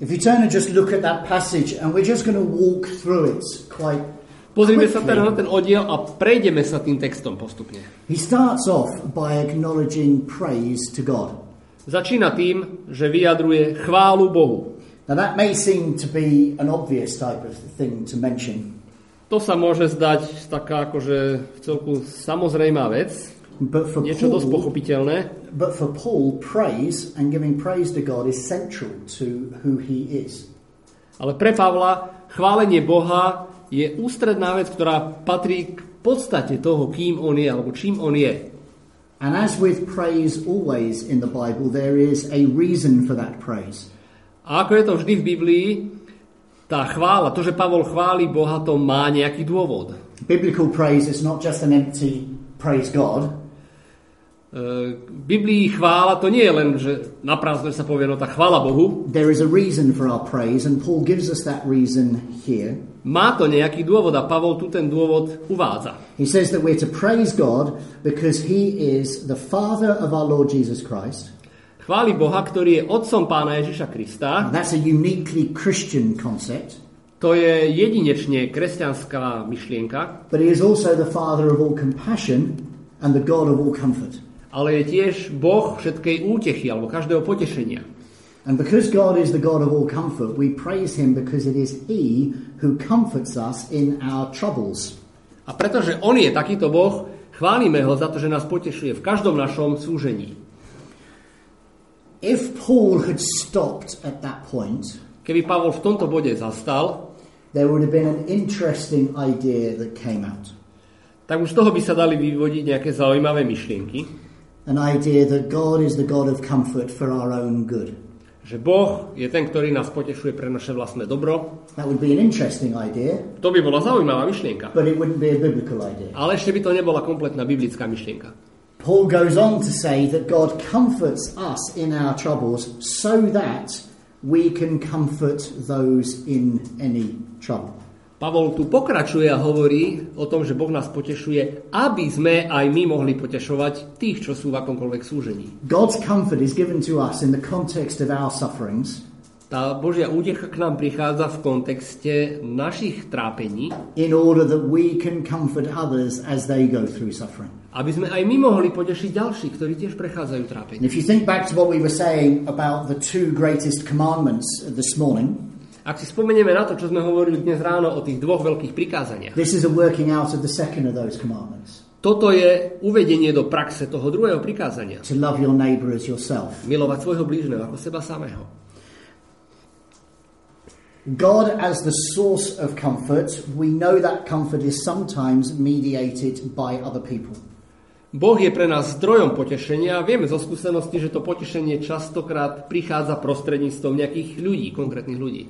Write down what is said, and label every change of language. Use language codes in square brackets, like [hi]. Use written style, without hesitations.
[en] If you turn and just look at that passage and we're just going to walk through it quite quickly. [sk] Pozrime sa teraz na ten oddiel a prejdeme sa tým textom postupne. [en] He starts off by acknowledging praise to God. [sk] Začína tým, že vyjadruje chválu Bohu. [en] Now that may seem to be an obvious type of thing to mention. [sk] To sa môže zdať taká akože v celku samozrejmá vec, niečo dosť pochopiteľné. [en] But for Paul, praise and giving praise to God is central to who he is. [sk] Ale pre Pavla chválenie Boha je ústredná vec, ktorá patrí k podstate toho, kým on je alebo čím on je. [en] And as with praise always in the Bible, there is a reason for that praise. [sk] A ako je to vždy v Biblii, tá chvála, to, že Pavol chváli Boha, to má nejaký dôvod. [en] Biblical praise is not just an empty praise God. [sk] V Biblii chvála to nie je len, že naprázdne sa povie, no tá chvála Bohu. [en] There is a reason for our praise and Paul gives us that reason here. [sk] Má to nejaký dôvod a Pavol tu ten dôvod uvádza. [en] He says that we're to praise God because he is the father of our Lord Jesus Christ. [sk] Chváli Boha, ktorý je otcom Pána Ježiša Krista. [en] And that's a uniquely Christian concept. [sk] To je jedinečne kresťanská myšlienka. [en] But he is also the father of all compassion and the God of all comfort. [sk] Ale je tiež Boh všetkej útechy alebo každého potešenia. [en] And because God is the God of all comfort, we praise him because it is he who comforts us in our troubles. [sk] A A pretože on je takýto Boh, chválime ho za to, že nás potešuje v každom našom súžení. [en] If Paul had stopped at that point, [sk] keby Pavol v tomto bode zastal, [en] there would have been an interesting idea that came out. [sk] Tak už z toho by sa dali vyvodiť nejaké zaujímavé myšlienky. [en] An idea that God is the God of comfort for our own good. [sk] Že Boh je ten, ktorý nás potešuje pre naše vlastné dobro. [en] That would be an interesting idea. [sk] To by bola zaujímavá myšlienka. [en] But it wouldn't be a biblical idea. [sk] Ale ešte by to nebola kompletná biblická myšlienka. [en] Paul goes on to say that God comforts us in our troubles so that we can comfort those in any trouble. [sk] Pavol tu pokračuje a hovorí o tom, že Boh nás potešuje, aby sme aj my mohli potešovať tých, čo sú v akomkoľvek súžení. [en] God's comfort is given to us in the context of our sufferings. [sk] Tá Božia útecha k nám prichádza v kontexte našich trápení. [en] In order that we can comfort others as they go through suffering. [sk] Aby sme aj my mohli potešiť ďalších, ktorí tiež prechádzajú trápením. [en] If you think back to what we were saying about the two greatest commandments this morning. [sk] Ak si spomenieme na to, čo sme hovorili dnes ráno o tých dvoch veľkých prikázaniach. [en] This is a working out of the second of those commandments. [sk] Toto je uvedenie do praxe toho druhého prikázania. [en] To love your neighbor as yourself. [sk] Milovať svojho blížneho ako seba samého. [en] God as the source of comfort, we know that comfort is sometimes mediated by other people. [sk] Boh je pre nás zdrojom potešenia. Vieme zo skúsenosti, že to potešenie častokrát prichádza prostredníctvom nejakých ľudí, konkrétnych ľudí.